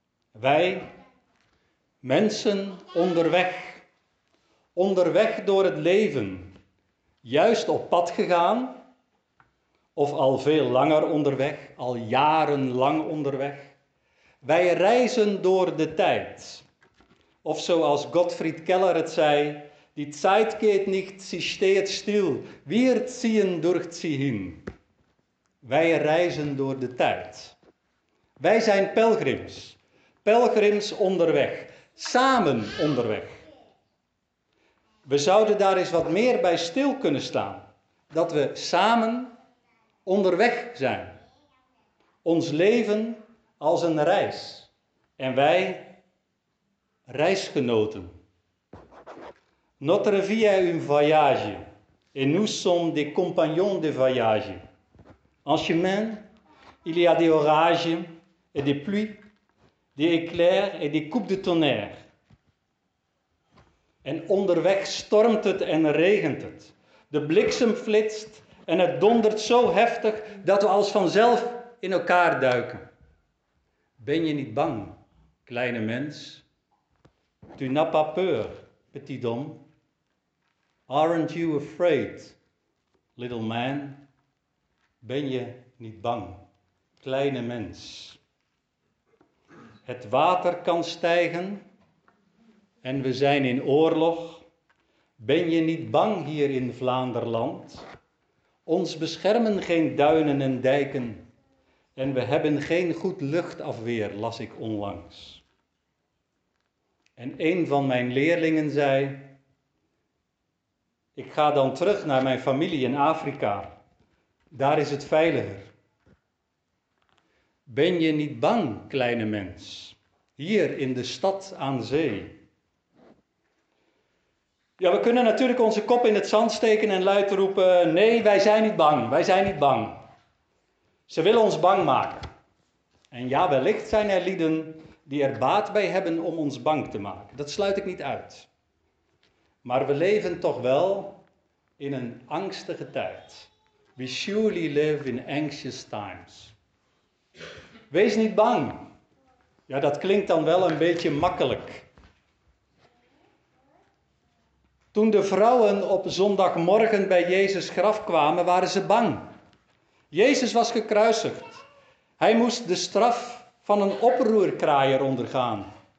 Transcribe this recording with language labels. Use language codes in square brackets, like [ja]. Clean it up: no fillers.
[nl] Wij, mensen onderweg, onderweg door het leven, juist op pad gegaan, of al veel langer onderweg, al jarenlang onderweg. Wij reizen door de tijd. Of zoals Gottfried Keller het zei, [de] die Zeit geht nicht, sie steht still. Wir ziehen durch sie hin. [nl] Wij reizen door de tijd. Wij zijn pelgrims. Pelgrims onderweg. Samen onderweg. We zouden daar eens wat meer bij stil kunnen staan. Dat we samen onderweg zijn. Ons leven als een reis. En wij reisgenoten. [fr] Notre vie est un voyage. Et nous sommes des compagnons de voyage. En chemin, il y a des orages et des pluies, des éclairs et des coups de tonnerre. [nl] En onderweg stormt het en regent het. De bliksem flitst en het dondert zo heftig dat we als vanzelf in elkaar duiken. Ben je niet bang, kleine mens? Tu n'as pas peur, petit homme? [en] Aren't you afraid, little man? [nl] Ben je niet bang, kleine mens? Het water kan stijgen. En we zijn in oorlog. Ben je niet bang hier in Vlaanderland? Ons beschermen geen duinen en dijken. En we hebben geen goed luchtafweer, las ik onlangs. En een van mijn leerlingen zei, ik ga dan terug naar mijn familie in Afrika. Daar is het veiliger. Ben je niet bang, kleine mens, hier in de stad aan zee? Ja, we kunnen natuurlijk onze kop in het zand steken en luid roepen, nee, wij zijn niet bang, wij zijn niet bang. Ze willen ons bang maken. En ja, wellicht zijn er lieden die er baat bij hebben om ons bang te maken. Dat sluit ik niet uit. Maar we leven toch wel in een angstige tijd. [en] We surely live in anxious times. [nl] Wees niet bang. Ja, dat klinkt dan wel een beetje makkelijk. Toen de vrouwen op zondagmorgen bij Jezus graf kwamen, waren ze bang. Jezus was gekruisigd. Hij moest de straf van een oproerkraaier ondergaan.